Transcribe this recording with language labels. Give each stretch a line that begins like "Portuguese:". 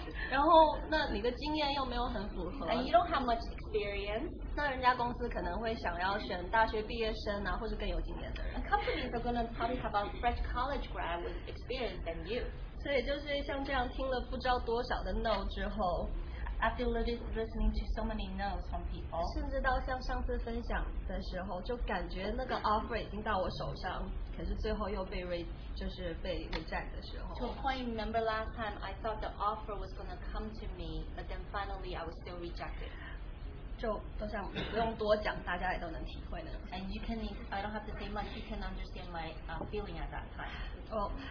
Chinese: 然后那你的经验又没有很符合。
English: And you don't have much experience.
Chinese: 那人家公司可能会想要选大学毕业生啊, 或是更有经验的人。
English: Companies are going to probably have a fresh college grad with experience than you.
Chinese: 所以就是像这样听了不知道多少的no之后,
English: After listening to so many no's from people,
Chinese: 甚至到像上次分享的时候, 就感觉那个offer已经到我手上, 可是最后又被reject的时候。
English: To a point, remember last time, I thought the offer was going to come to me, but then finally I was still rejected.
Chinese: 就都像不用多讲, 大家也都能体会呢。
English: And you can, I don't have to say much, you can understand my feeling at that time.